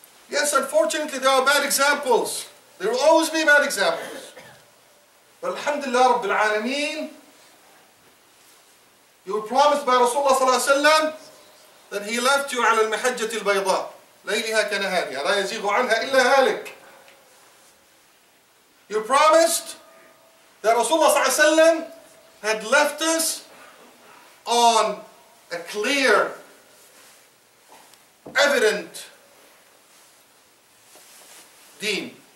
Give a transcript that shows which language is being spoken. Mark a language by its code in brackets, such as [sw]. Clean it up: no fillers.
[en] Yes, unfortunately there are bad examples. There will always be bad examples. But alhamdulillah rabbil alameen, you were promised by Rasulullah صلى الله عليه وسلم that he left you [ar] على المحجة البيضاء. ليلها كنهارها لا يزيغ عنها إلا هالك. [en] You promised that Rasulullah صلى الله عليه وسلم had left us on a clear, evident deen.